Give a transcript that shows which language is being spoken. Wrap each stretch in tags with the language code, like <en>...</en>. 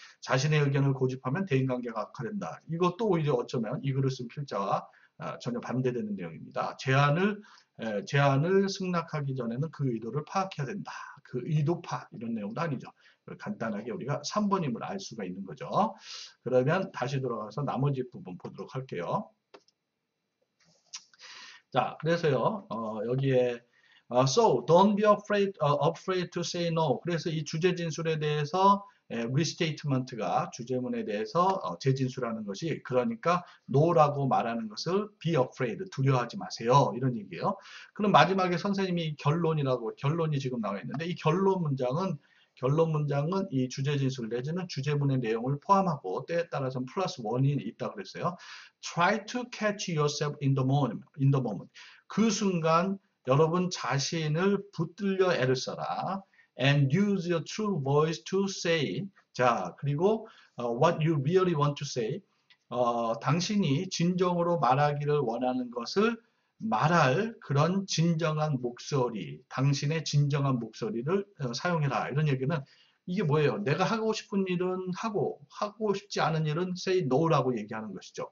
<ko>자신의 의견을 고집하면 대인관계가 악화된다. 이것도 오히려 어쩌면 이 글을 쓴 필자와 전혀 반대되는 내용입니다. 제안을 승낙하기 전에는 그 의도를 파악해야 된다. 그 의도 파악 이런 내용도 아니죠. 간단하게 우리가 3번임을 알 수가 있는 거죠. 그러면 다시 돌아가서 나머지 부분 보도록 할게요. 자, 그래서요. 여기에</ko> <en>so don't be afraid to say no.</en> <ko>그래서 이 주제 진술에 대해서 리스테이트먼트가 주제문에 대해서 재진술하는 것이 그러니까 no라고 말하는 것을</ko> <en>be afraid</en> <ko>두려워하지 마세요 이런 얘기예요. 그럼 마지막에 선생님이 결론이라고 결론이 지금 나와 있는데 이 결론 문장은 이 주제진술 내지는 주제문의 내용을 포함하고 때에 따라서는 플러스 원이 있다고 그랬어요.</ko> <en>Try to catch yourself in the moment.</en> <ko>그 순간 여러분 자신을 붙들려 애를 써라.</ko> <en>And use your true voice to say.</en> <ko>자, 그리고</ko> <en>what you really want to say.</en> <ko>당신이 진정으로 말하기를 원하는 것을 말할 그런 진정한 목소리, 당신의 진정한 목소리를 사용해라. 이런 얘기는 이게 뭐예요? 내가 하고 싶은 일은 하고, 하고 싶지 않은 일은</ko> <en>say no</en> <ko>라고 얘기하는 것이죠.</ko>